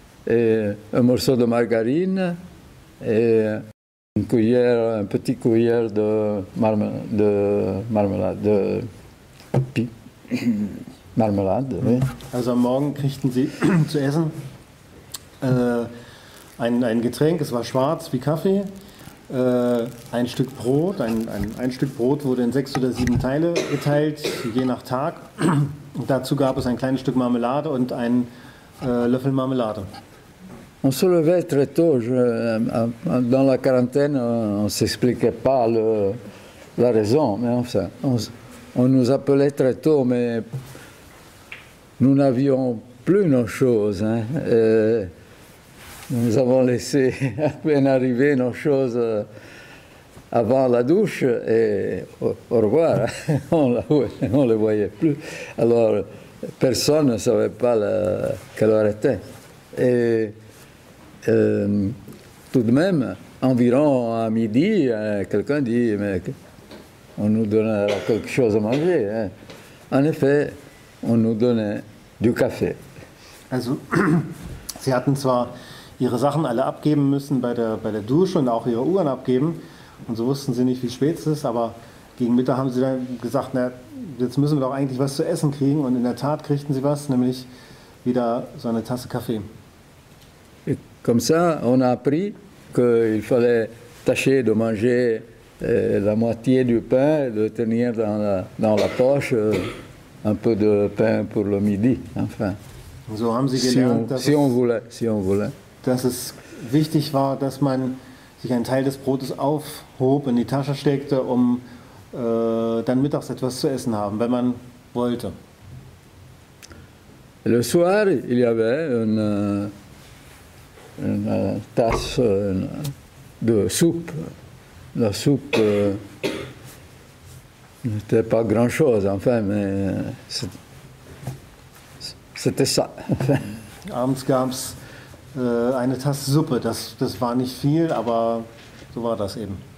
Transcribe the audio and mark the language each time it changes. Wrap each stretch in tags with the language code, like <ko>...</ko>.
<fr>Et un morceau de margarine et une cuillère, un petit cuillère de marmelade. Oui.</fr> <de>Also am Morgen kriegten sie zu essen ein Getränk, es war schwarz wie Kaffee. Ein Stück Brot wurde in 6 oder 7 Teile geteilt, je nach Tag. Dazu gab es ein kleines Stück Marmelade und einen Löffel Marmelade.</de> <fr>On se levait très tôt. Dans la quarantaine, on s'expliquait pas la raison, mais enfin, on nous appelait très tôt, mais nous n'avions plus nos choses. Hein. Nous avons laissé à peine arriver nos choses avant la douche et au revoir, on ne les voyait plus. Alors personne ne savait pas quelle heure était. Et tout de même, environ à midi, quelqu'un dit « mais on nous donnera quelque chose à manger ». En effet, on nous donnait du café.</fr> <de>Also, Sie hatten zwar ihre Sachen alle abgeben müssen bei der Dusche und auch ihre Uhren abgeben. Und so wussten sie nicht, wie spät es ist, aber gegen Mittag haben sie dann gesagt, na, jetzt müssen wir doch eigentlich was zu essen kriegen. Und in der Tat kriegten sie was, nämlich wieder so eine Tasse Kaffee.</de> <fr>Et comme ça, on a appris qu'il fallait tâcher de manger la moitié du pain et de tenir dans la poche un peu de pain pour le midi. Enfin,</fr> <de>so haben sie gelernt,</de> <fr>si on voulait.</fr> <de>Dass es wichtig war, dass man sich einen Teil des Brotes aufhob, in die Tasche steckte, um dann mittags etwas zu essen haben, wenn man wollte.</de> <fr>Le soir, il y avait une tasse de soupe. La soupe n'était pas grand chose, enfin, mais c'était ça.</fr> <de>Abends gab es eine Tasse Suppe, das war nicht viel, aber so war das eben.</de>